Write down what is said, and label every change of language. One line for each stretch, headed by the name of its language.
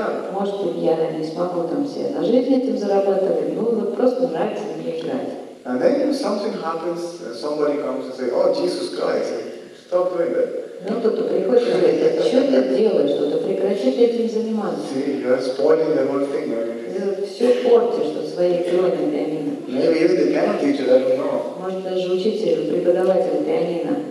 Russian: Может быть, я не смогу там себе на жизнь этим зарабатывать, ну, но просто нравится мне играть.
English: And then if something happens, somebody comes and says, oh, Jesus Christ, stop doing that.
Russian: Ну, кто-то приходит и говорит, а что ты делаешь, что-то прекрати этим заниматься.
English: See, you're spoiling the whole thing.
Russian: Все портишь на своей игре на пианино.
English: Maybe even the piano teacher, I don't know.
Russian: Может, даже учитель, преподаватель пианино.